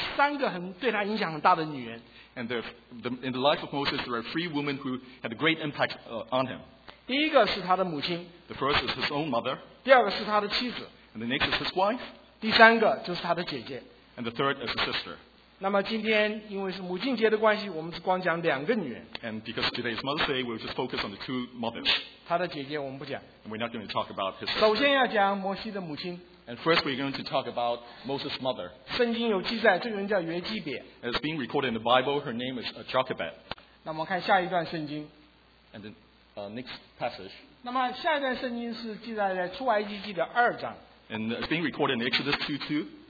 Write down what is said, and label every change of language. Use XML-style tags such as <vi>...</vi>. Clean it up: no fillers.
<zh>摩西这个人一生当中有三个很对他影响很大的女人。</zh> <en>And in the life of Moses, there are three women who had a great impact on him.</en> <zh>第一个是他的母亲。</zh> <en>The first is his own mother.</en> <zh>第二个是他的妻子。</zh> <en>And the next is his wife.</en> <zh>第三个就是他的姐姐。</zh> <en>And the third is his sister.</en> <zh>那么今天因为是母亲节的关系, 我们只光讲两个女人。</zh> <en>And because today is Mother's Day, we'll just focus on the two mothers.</en> <zh>他的姐姐我们不讲。</zh> <en>And we're not going to talk about his sister.</en> <zh>首先要讲摩西的母亲。</zh> <en>And first we're going to talk about Moses' mother.</en> <zh>圣经有记载, 这个人叫约基别。</zh> <en>It's being recorded in the Bible, her name is Jochebed.</en> <zh>那么看下一段圣经。</zh> <en>And then next passage.</en> <zh>那么下一段圣经是记载在出埃及记的二章。</zh> <en>And it's being recorded in Exodus 2:2.</en>